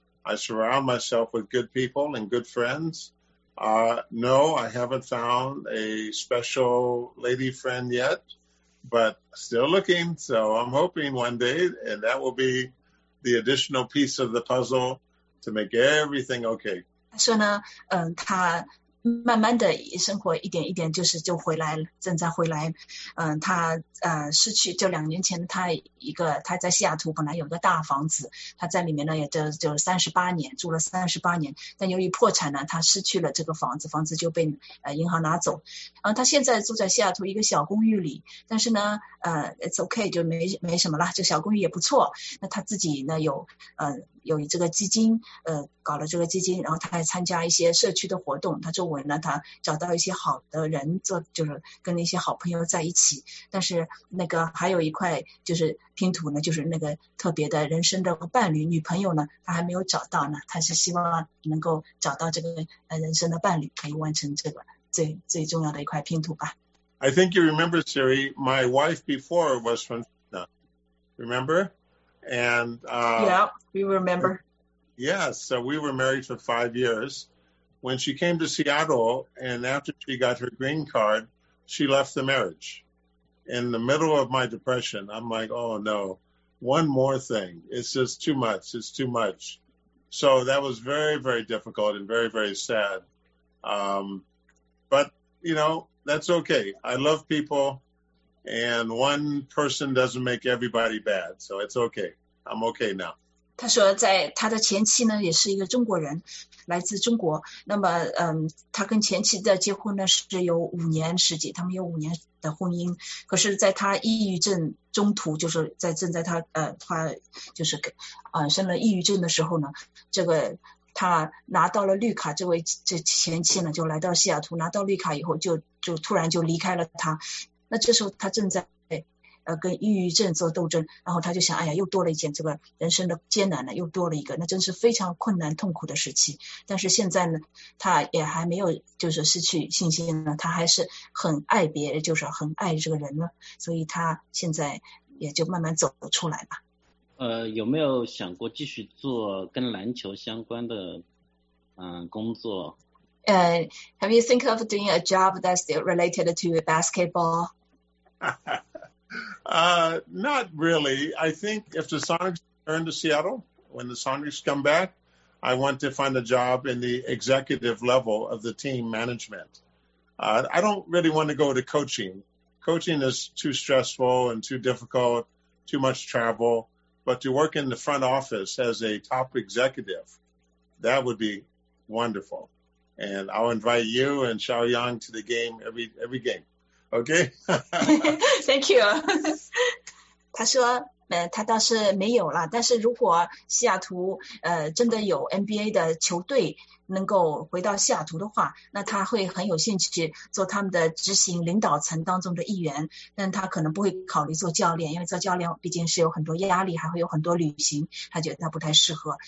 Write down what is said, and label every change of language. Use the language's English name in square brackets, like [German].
[English] I surround myself with good people and good friends. No, I haven't found a special lady friend yet, but still looking. So I'm hoping one day, and that will be the additional piece of the puzzle to make everything okay. [Chinese] 所以呢，他慢慢的生活一点一点就是就回来了，正在回来。他失去就2年前他一个他在西雅图本来有个大房子，他在里面呢也就38年住了38年，但由于破产呢他失去了这个房子，房子就被银行拿走。他现在住在西雅图一个小公寓里，但是呢 [English] it's okay， [Chinese] 就没什么了，就小公寓也不错。那他自己呢有这个基金，搞了这个基金，然后他还参加一些社区的活动，他周围呢他找到一些好的人做，就是跟那些好朋友在一起。但是那个还有一块就是拼图呢，就是那个特别的人生的伴侣女朋友呢他还没有找到呢，他是希望能够找到这个人生的伴侣，可以完成这个最重要的一块拼图吧。 [English] I think you remember, Siri, my wife before was from China. Remember? And yeah, we remember. Yes, so we were married for 5 years. When she came to Seattle, and after she got her green card, she left the marriage. In the middle of my depression, I'm like, oh no, one more thing. It's just too much. It's too much. So that was very, very difficult and very, very sad. But, you know, that's okay. I love people. And one person doesn't make everybody bad, so it's okay. I'm okay now. [Chinese] 他说在他的前妻呢也是一个中国人，来自中国。那么他跟前妻的结婚呢是有5年时间，他们有5年的婚姻。可是在他抑郁症中途，就是在正在他就是生了抑郁症的时候呢，这个他拿到了绿卡，这前妻呢就来到西雅图，拿到绿卡以后就突然就离开了他。那这时候他正在跟抑郁症做斗争，然后他就想，哎呀，又多了一件这个人生的艰难了，又多了一个，那真是非常困难痛苦的时期。但是现在呢他也还没有就是失去信心呢，他还是很爱别人，就是很爱这个人呢，所以他现在也就慢慢走出来吧。有没有想过继续做跟篮球相关的工作？ [English] Have you think of doing a job that's related to basketball? not really. I think if the Sonics return to Seattle, when the Sonics come back, I want to find a job in the executive level of the team management. I don't really want to go to coaching. Coaching is too stressful and too difficult, too much travel. But to work in the front office as a top executive, that would be wonderful. And I'll invite you and Xiao Yang to the game every game, okay? Thank you. [Chinese] 他说，他倒是没有了。但是如果西雅图真的有 NBA 的球队能够回到西雅图的话，那他会很有兴趣做他们的执行领导层当中的一员。但他可能不会考虑做教练，因为做教练毕竟是有很多压力，还会有很多旅行，他觉得他不太适合。